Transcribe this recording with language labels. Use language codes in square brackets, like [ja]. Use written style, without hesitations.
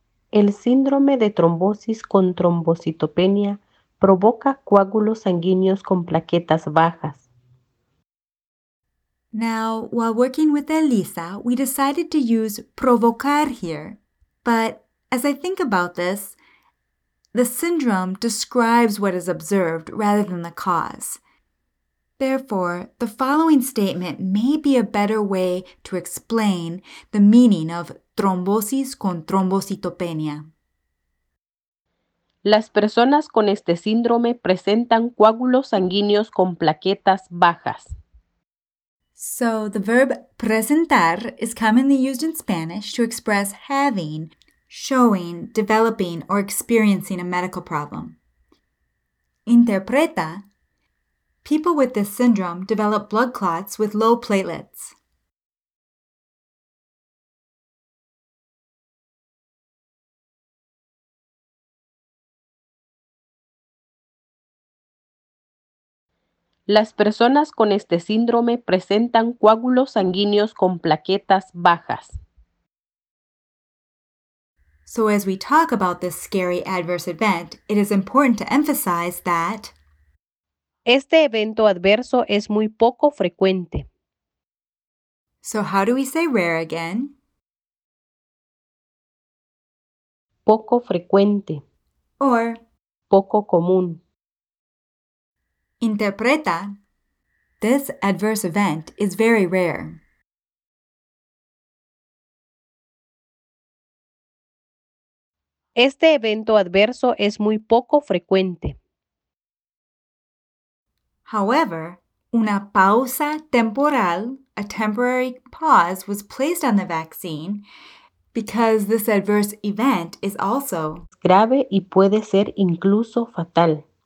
[es] El síndrome de trombosis con trombocitopenia provoca coágulos sanguíneos con plaquetas bajas. [en] Now, while working with Elisa, we decided to use provocar here. But as I think about this, the syndrome describes what is observed rather than the cause. Therefore, the following statement may be a better way to explain the meaning of trombosis con trombocitopenia. [es] Las personas con este síndrome presentan coágulos sanguíneos con plaquetas bajas. [en] So, the verb presentar is commonly used in Spanish to express having, showing, developing, or experiencing a medical problem. Interpreta, people with this syndrome develop blood clots with low platelets. [es] Las personas con este síndrome presentan coágulos sanguíneos con plaquetas bajas. [en] So as we talk about this scary adverse event, it is important to emphasize that [es] este evento adverso es muy poco frecuente. [en] So how do we say rare again? [es] Poco frecuente. [en] Or [es] poco común. [en] Interpreta, this adverse event is very rare. [es] Este evento adverso es muy poco frecuente. [en] However, [es] una pausa temporal, [en] a temporary pause, was placed on the vaccine because this adverse event is also [es] grave y puede ser incluso fatal.